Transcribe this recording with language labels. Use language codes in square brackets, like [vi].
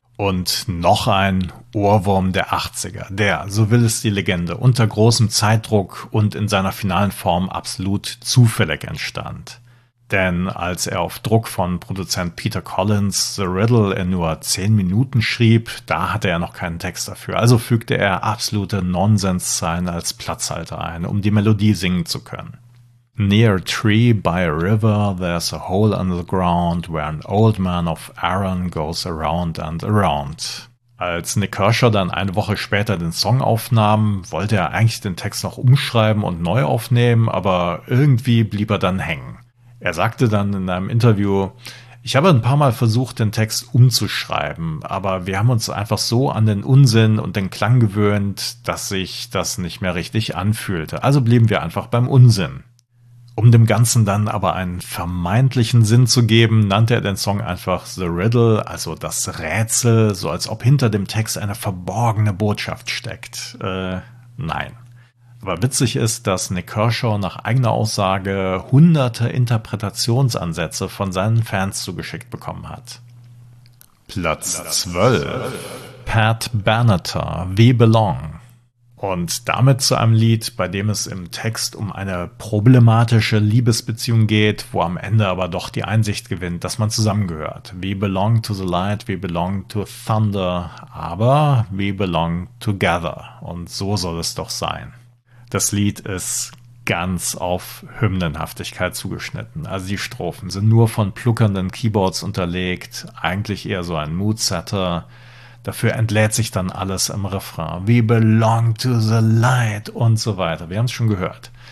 [de] Und noch ein Ohrwurm der 80er, der, so will es die Legende, unter großem Zeitdruck und in seiner finalen Form absolut zufällig entstand. Denn als er auf Druck von Produzent Peter Collins The Riddle in nur 10 Minuten schrieb, da hatte er noch keinen Text dafür. Also fügte er absolute Nonsenszeilen als Platzhalter ein, um die Melodie singen zu können. [en] Near a tree by a river, there's a hole under the ground where an old man of Erin goes around and around. [de] Als Nick Kershaw dann eine Woche später den Song aufnahm, wollte er eigentlich den Text noch umschreiben und neu aufnehmen, aber irgendwie blieb er dann hängen. Er sagte dann in einem Interview: Ich habe ein paar Mal versucht, den Text umzuschreiben, aber wir haben uns einfach so an den Unsinn und den Klang gewöhnt, dass sich das nicht mehr richtig anfühlte. Also blieben wir einfach beim Unsinn. Um dem Ganzen dann aber einen vermeintlichen Sinn zu geben, nannte er den Song einfach The Riddle, also das Rätsel, so als ob hinter dem Text eine verborgene Botschaft steckt. Nein. Aber witzig ist, dass Nick Kershaw nach eigener Aussage hunderte Interpretationsansätze von seinen Fans zugeschickt bekommen hat. Platz 12. Pat Benatar, We Belong. Und damit zu einem Lied, bei dem es im Text um eine problematische Liebesbeziehung geht, wo am Ende aber doch die Einsicht gewinnt, dass man zusammengehört. [en] We belong to the light, we belong to thunder, [de] aber [en] we belong together. [de] Und so soll es doch sein. Das Lied ist ganz auf Hymnenhaftigkeit zugeschnitten. Also die Strophen sind nur von pluckernden Keyboards unterlegt, eigentlich eher so ein Moodsetter. Dafür entlädt sich dann alles im Refrain. [en] We belong to the light [de] und so weiter. Wir haben es schon gehört.